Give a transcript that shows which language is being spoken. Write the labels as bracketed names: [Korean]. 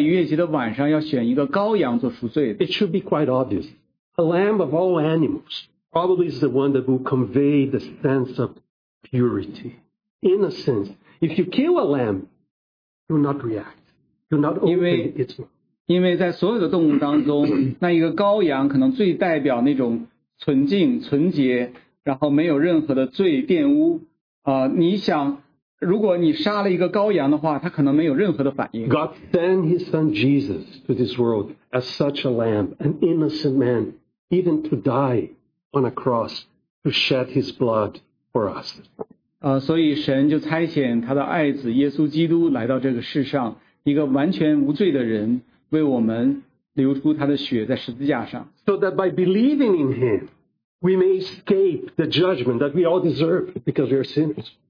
[Chinese] 如果你可能会问,为什么在逾越节的晚上要选一个羔羊做赎罪? [English] It should be quite obvious. A lamb of all animals probably is the one that will convey the sense of purity, innocence. If you kill a lamb, do not react. Do not open its mouth. God sent his son Jesus to this world as such a lamb, an innocent man, even to die on a cross to shed his blood for us. [Chinese] 所以神就差遣他的爱子耶稣基督来到这个世上。 [English] So that by believing in him, we may escape the judgment that we all deserve because we are sinners.